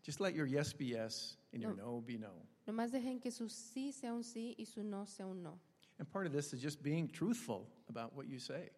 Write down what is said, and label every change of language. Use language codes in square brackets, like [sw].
[en] Just let your yes be yes and your no be no. [es] Nomás dejen que su sí sea un sí y su no sea un no. [en] And part of this is just being truthful about what you say.